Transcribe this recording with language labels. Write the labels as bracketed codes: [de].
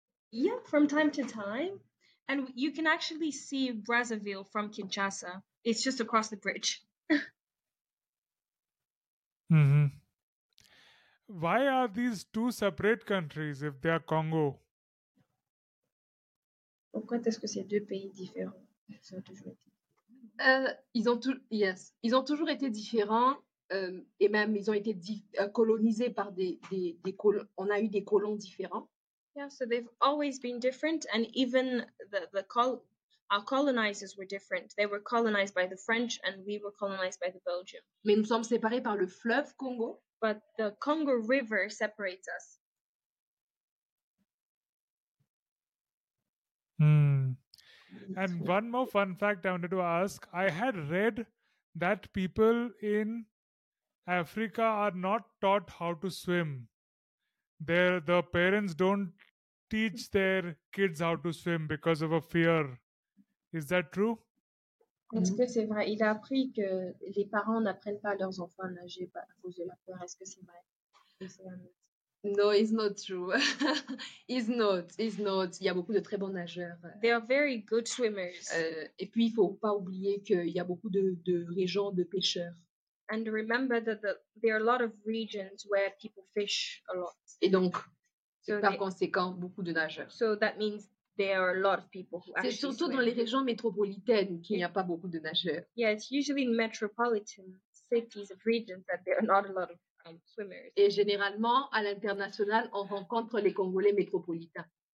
[en] Yeah, from time to time. And you can actually see Brazzaville from Kinshasa. It's just across the bridge. Why are these two separate countries if they are Congo? [fr] Pourquoi est-ce que c'est deux pays différents? Ils ont toujours été. Ils ont toujours été différents et même ils ont été colonisés par on a eu des colons différents. [en] Yeah, so they've always been different, and even our colonizers were different. They were colonized by the French, and we were colonized by the Belgium. [fr] Mais nous sommes séparés par le fleuve Congo. [en] But the Congo River separates us. And one more fun fact I wanted to ask. I had read that people in Africa are not taught how to swim. The parents don't teach their kids how to swim because of a fear. Is that true? [fr] Est-ce que c'est vrai? Il a appris que les parents n'apprennent pas à leurs enfants à nager à cause de la peur. Est-ce que c'est vrai? [en] No, it's not true. It's not. [fr] Il y a beaucoup de très bons nageurs. [en] They are very good swimmers. [fr] Et puis, il ne faut pas oublier qu'il y a beaucoup de régions de pêcheurs. [en] And remember that there are a lot of regions where people fish a lot. [fr] Et donc, par conséquent, beaucoup de nageurs. [en] So that means there are a lot of people who actually swim. [fr] C'est surtout dans les régions métropolitaines qu'il n'y a pas beaucoup de nageurs. [en] Yeah, it's usually in metropolitan cities of regions that there are not a lot of swimmers. [fr] Et généralement, à l'international, on rencontre les Congolais métropolitains.